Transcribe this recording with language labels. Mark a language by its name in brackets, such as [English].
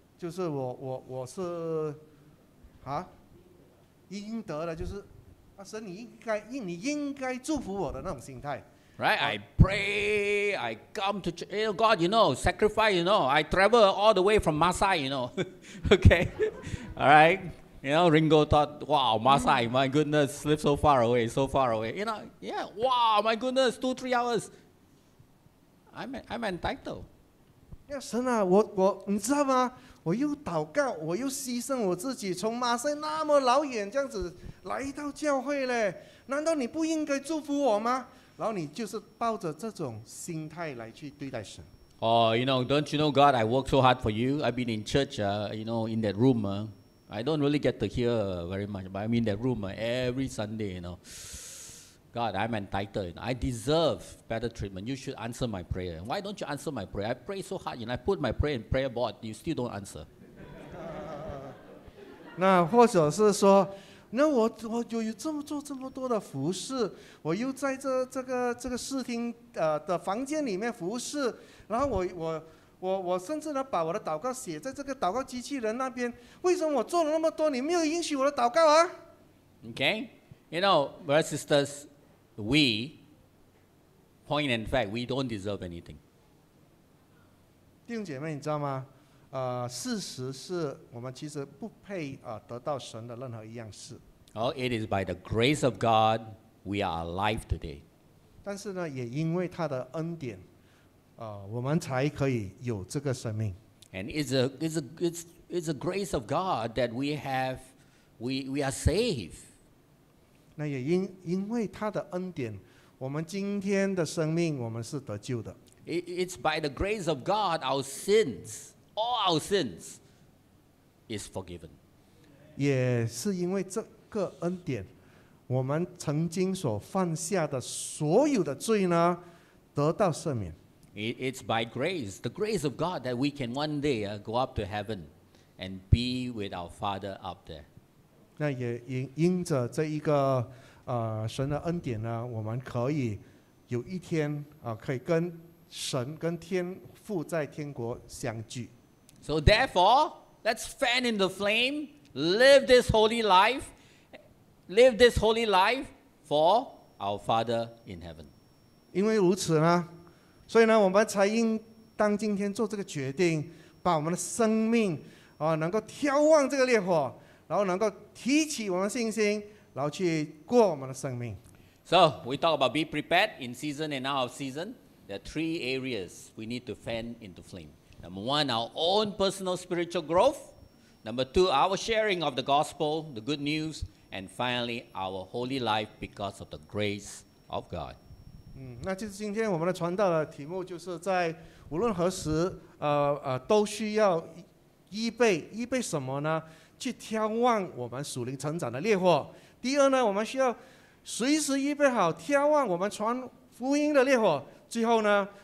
[Chinese] 就是我是啊，应得的，就是啊，神你应该祝福我的那种心态。 [English] Right, I pray, I come to church. You know, God, you know, sacrifice, you know, I travel all the way from Masai, you know. Okay, all right. You know, Ringo thought, wow, Masai, my goodness, live so far away, so far away. You know, yeah, wow, my goodness, 2-3 hours. I'm entitled. [Chinese] Yeah, 神啊，我你知道吗？我又祷告，我又牺牲我自己，从马赛那么老远这样子来到教会嘞。难道你不应该祝福我吗？然后你就是抱着这种心态来去对待神。 [English] Oh, you know, don't you know, God? I work so hard for you. I've been in church, you know, in that room. I don't really get to hear very much, but I'm in that room every Sunday, you know. God, I'm entitled. I deserve better treatment. You should answer my prayer. Why don't you answer my prayer? I pray so hard, and I put my prayer in prayer board. You still don't answer. [Chinese] 那或者是说，那我由于这么做这么多的服事，我又在这个视听的房间里面服事，然后我甚至呢把我的祷告写在这个祷告机器人那边，为什么我做了那么多，你没有允许我的祷告啊 [English] ？Okay, you know, brothers and sisters, we point in fact we don't deserve anything. [Chinese] 弟兄姐妹，你知道吗？事实是我们其实不配得到神的任何一样事。 [English] Oh, it is by the grace of God we are alive today. [Chinese] 但是呢，也因为他的恩典，我们才可以有这个生命。 [English] And it's a grace of God that we are saved. [Chinese] 那也因为他的恩典，我们今天的生命我们是得救的。 [English] It's by the grace of God our sins. All our sins is forgiven. [Chinese] 也是因为这个恩典，我们曾经所犯下的所有的罪呢，得到赦免。 [English] It's by grace, the grace of God, that we can one day go up to heaven and be with our Father up there. [Chinese] 那也因着这一个神的恩典呢，我们可以有一天可以跟神跟天父在天国相聚。 [English] So therefore, let's fan in the flame, live this holy life, live this holy life for our Father in heaven. [Chinese] 因为如此呢，所以呢，我们才应当今天做这个决定，把我们的生命能够眺望这个烈火，然后能够提起我们的信心，然后去过我们的生命。 [English] So we talk about be prepared in season and out of season. There are three areas we need to fan into flame. Number one, our own personal spiritual growth. Number two, our sharing of the gospel, the good news. And finally, our holy life because of the grace of God. [Chinese] 那就是今天我们的传道的题目，就是在无论何时，都需要预备什么呢？去眺望我们属灵成长的烈火。第二呢，我们需要随时预备好眺望我们传福音的烈火。最后呢？